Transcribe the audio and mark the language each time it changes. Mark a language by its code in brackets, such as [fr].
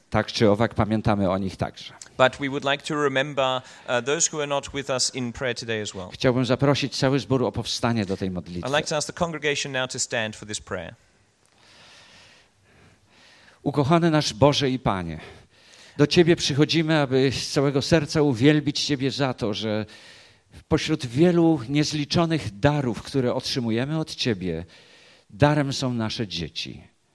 [pl] Tak czy owak, pamiętamy o nich także. [en] But we would like to remember those who are not with us in prayer today as well. [pl] Chciałbym zaprosić cały zbór o powstanie do tej modlitwy. [en] I'd like to ask the congregation now to stand for this prayer. [pl] Ukochany nasz Boże i Panie, do Ciebie przychodzimy, aby z całego serca uwielbić Ciebie za to, że pośród wielu niezliczonych darów, które otrzymujemy od Ciebie, darem są nasze dzieci.